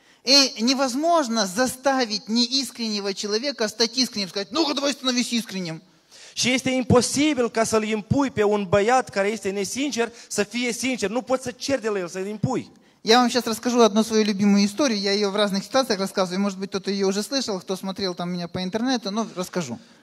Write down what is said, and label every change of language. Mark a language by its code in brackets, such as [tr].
[ru] И невозможно заставить неискреннего человека стать искренним, сказать: "Ну-ка, давай становись искренним". [ro] Și este imposibil ca să-l impui pe un băiat care este nesincer să fie sincer. Nu poți să ceri de la el să-l impui. [ru] Я вам сейчас расскажу одну свою любимую историю. Я ее в разных ситуациях рассказываю. Может быть, кто-то ее уже слышал, кто смотрел там меня по интернету, но расскажу.